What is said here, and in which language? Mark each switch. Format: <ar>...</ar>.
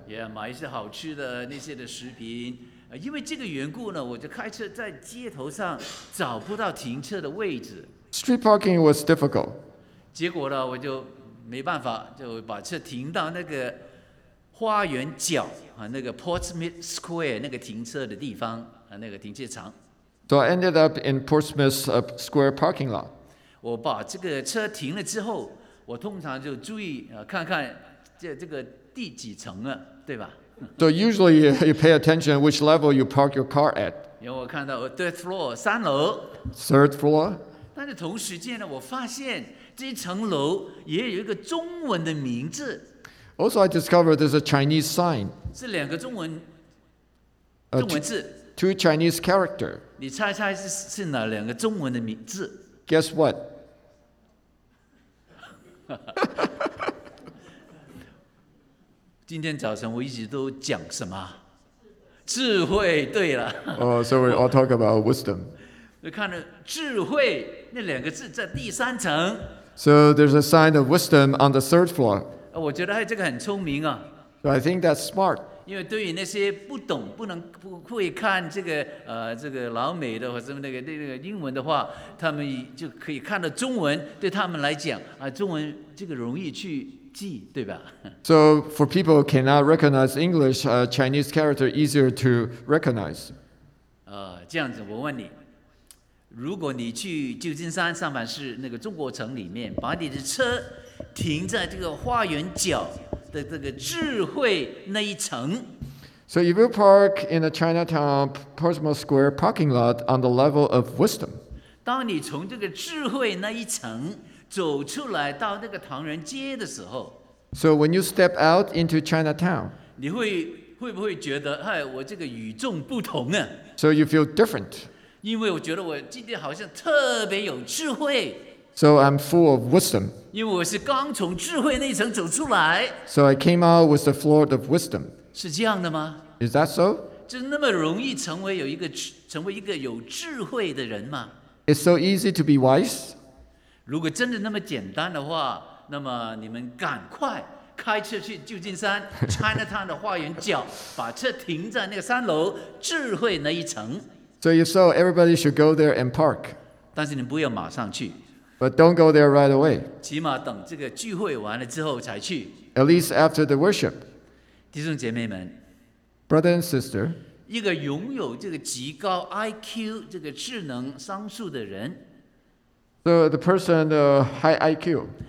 <zh>Yeah, 买一些好吃的那些的食品。因为这个缘故呢，我就开车在街头上找不到停车的位置。</zh> <en>Street parking was difficult.</en> <zh>结果呢，我就没办法，就把车停到那个花园角那个 Portsmouth Square 那个停车的地方那个停车场。</zh> <en>So I ended up in Portsmouth Square parking lot.</en> <zh>我把这个车停了之后，我通常就注意看看这个第几层了，对吧</zh> <en>？So usually you pay attention which level you park your car at.</en> <zh>因为我看到</zh> <en>third floor</en> <zh>三楼。</zh> <en>Third floor.</en> <zh>但是同时间呢，我发现这层楼也有一个中文的名字。</zh> <en>Also, I discovered there's a Chinese sign.</en> <zh>是两个中文字。</zh> <en>Two Chinese character.</en> <zh>你猜猜是哪两个中文的名字</zh> <en>？Guess what?</en> <zh>今天早晨我一直都讲什么？智慧。对了。</zh> <en>Oh, so we all talk about wisdom.</en> <zh>看了智慧那两个字在第三层。</zh> <en>So there's a sign of wisdom on the third floor.</en> <zh>我觉得这个很聪明啊。</zh> <en>So I think that's smart.</en> <zh>因为对于那些不懂、不会看这个老美的或者什么那个英文的话，他们就可以看到中文，对他们来讲中文这个容易去记，对吧</zh> <en>？So for people who cannot recognize English, Chinese character easier to recognize.</en> <zh>这样子，我问你。如果你去旧金山三藩市那个中国城里面，把你的车停在这个花园角的这个智慧那一层</zh> <en>，So if you park in the Chinatown Portsmouth Square parking lot on the level of wisdom，</en> <zh>当你从这个智慧那一层走出来到那个唐人街的时候</zh> <en>，So when you step out into Chinatown，</en> <zh>你会不会觉得，哎，我这个与众不同啊</zh> <en>？So you feel different。</en> <zh>因为我觉得我今天好像特别有智慧</zh> <en>，So I'm full of wisdom。</en> <zh>因为我是刚从智慧那层走出来</zh> <en>，So I came out with the flood of wisdom。</en> <zh>是这样的吗</zh> <en>？Is that so？</en> <zh>就那么容易成为一个有智慧的人吗</zh> <en>？It's so easy to be wise。</en> <zh>如果真的那么简单的话，那么你们赶快开车去旧金山 Chinatown 的花园角，把车停在那个三楼智慧那一层。</zh> <en>So if so, everybody should go there and park.</en> <zh>但是你不要马上去。</zh> <en>But don't go there right away.</en> <zh>起码等这个聚会完了之后才去。</zh> <en>At least after the worship.</en> <zh>弟兄姐妹们。</zh> <en>Brother and sister.</en> <zh>一个拥有这个极高 IQ 这个智能商数的人。</zh> <en>So the person with high IQ.</en>